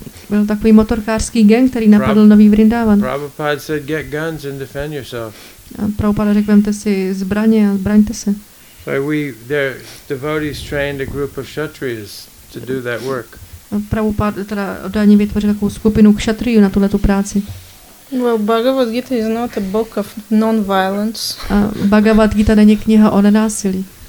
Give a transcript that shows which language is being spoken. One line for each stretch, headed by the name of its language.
Czech: byl takový motorkářský gang, který napadl nový Vrindavan.
English: Prabhupada said, get guns and defend yourself.
Czech: A Prabhupada řekl, vemte si zbraně a braňte se.
English: So we, their devotees trained a group of kshatriyas to do that work.
Czech: Prabhupada teda oddání vytvořil takovou skupinu kshatriyů na tuhle tu práci.
English: Well, Bhagavad Gita is not a book of non-violence.
Czech: A Bhagavad Gita není kniha o nenásilí.